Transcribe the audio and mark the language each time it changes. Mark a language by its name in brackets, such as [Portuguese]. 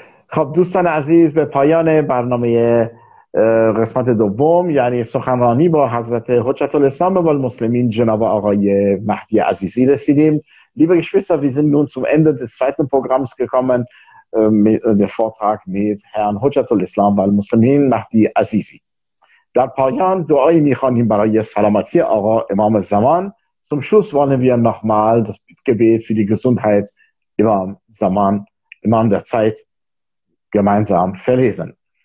[Persian] خب دوستان عزیز به پایان برنامه قسمت دوم یعنی سخنرانی با حضرت حجت الاسلام و المسلمین جناب آقای مهدی عزیزی رسیدیم. [German] Liebe Geschwister, wir sind nun zum Ende des zweiten Programms gekommen, der Vortrag mit Herrn حجت الاسلام و المسلمین مهدی عزیزی. [Persian] در پایان دعایی می‌خوانیم برای سلامتی آقا امام زمان. [German] Zum Schluss wollen wir nochmal das Gebet für die Gesundheit Imam Zaman, Imam der Zeit, gemeinsam verlesen.